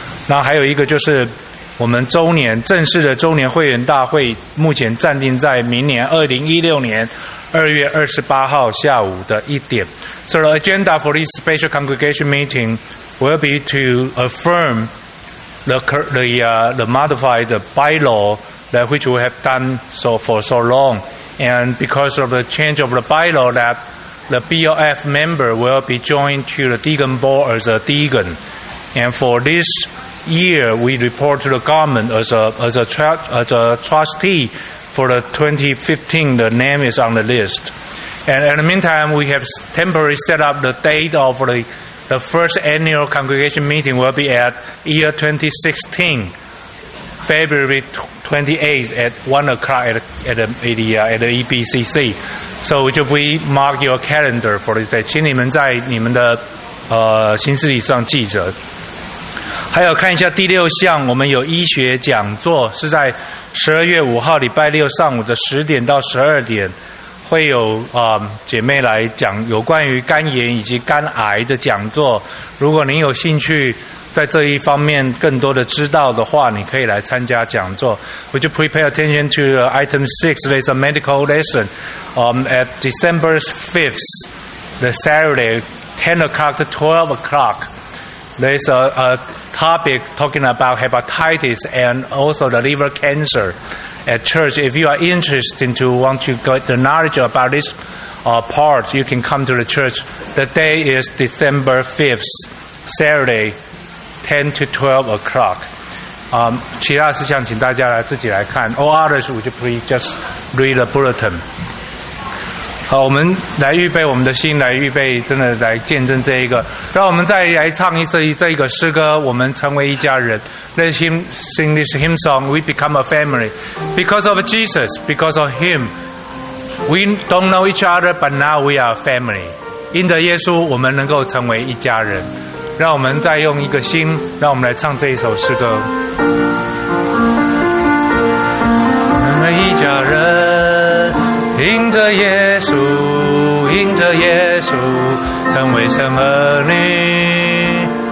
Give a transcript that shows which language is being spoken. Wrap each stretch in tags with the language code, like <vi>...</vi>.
<zh>那还有一个就是我们周年正式的周年会员大会，目前暂定在明年2016年2月28号下午的1点。</zh> <en>So the agenda for this special congregation meeting will be to affirm the modified bylaw that which we have done for so long. And because of the change of the bylaw, that the BOF member will be joined to the deacon board as a deacon. And for this year, we report to the government as a trustee for the 2015, the name is on the list. And in the meantime, we have temporarily set up the date of the first annual congregation meeting will be at year 2016. February 28th at 1 o'clock at the EBCC. So just we mark your calendar for this day.</en> <zh>请你们在你们的行事历上记着。还有看一下第六项，我们有医学讲座，是在12月5号礼拜六上午的10点到12点，会有姐妹来讲有关于肝炎以及肝癌的讲座。如果您有兴趣在这一方面更多的知道的话，你可以来参加讲座。</zh> <en>Would you prepare attention to item 6? There's a medical lesson at December 5th, the Saturday, 10 o'clock to 12 o'clock. There's a topic talking about hepatitis and also the liver cancer at church. If you are interested to want to get the knowledge about this part, you can come to the church. The day is December 5th, Saturday, 10 to 12 o'clock.</en> <zh>其他事项请大家来自己来看。</zh> <en>All others, would you please just read the bulletin?</en> <zh>好，我们来预备我们的心，来预备真的来见证这一个。让我们再来唱一次这一个诗歌，我们成为一家人。</zh> <en>Let's sing this hymn song, we become a family. Because of Jesus, because of Him, we don't know each other, but now we are a family.</en> <zh>因着耶稣，我们能够成为一家人。让我们再用一个心，让我们来唱这一首诗歌。成为一家人，因着耶稣，因着耶稣，成为神儿女。</zh>